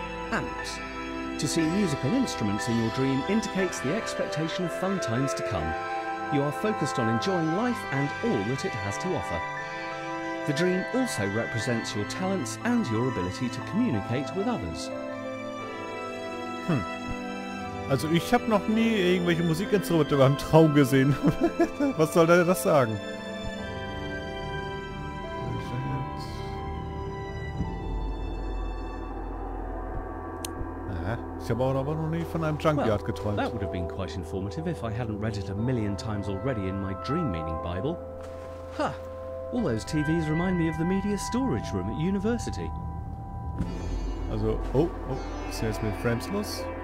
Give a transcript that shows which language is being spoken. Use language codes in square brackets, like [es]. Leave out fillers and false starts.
[en] Amps. To see musical instruments in your dream indicates the expectation of fun times to come. You are focused on enjoying life and all that it has to offer. The dream also represents your talents and your ability to communicate with others. Hm. [de] Also ich habe noch nie irgendwelche Musikinstrumente beim Traum gesehen. Was soll denn das sagen? Anscheinend. Ich habe aber noch nie von einem Junkyard geträumt. [en] That would have been quite informative if I hadn't read it a million times already in my dream meaning Bible. Ha! Huh. All those TVs remind me of the media storage room at university. [de] Also, ist jetzt mit Frames los?